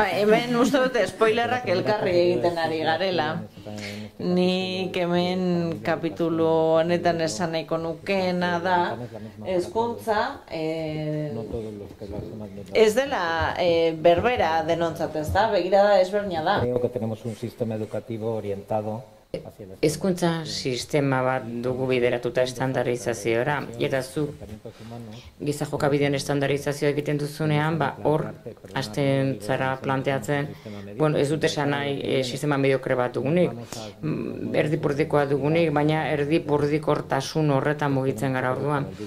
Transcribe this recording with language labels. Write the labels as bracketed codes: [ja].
[eu] Bai, hemen uste dut spoilerrak elkarri egiten ari garela. Ni hemen kapitulu honetan esan nahiko nukeena da hezkuntza ez dela berbera denontzat, ezta? Begirada ezberdina da. [es] Creo que tenemos un sistema educativo orientado. [eu] Hezkuntza sistema bat dugu bideratuta estandarizaziora, eta zu giza jokabideon estandarizazioa egiten duzunean, ba, hor hasten zara planteatzen, bueno, ez dut esan nahi sistema mediokre bat dugunik, erdipurdikoa dugunik, baina erdipurdikortasun horretan mugitzen gara orduan.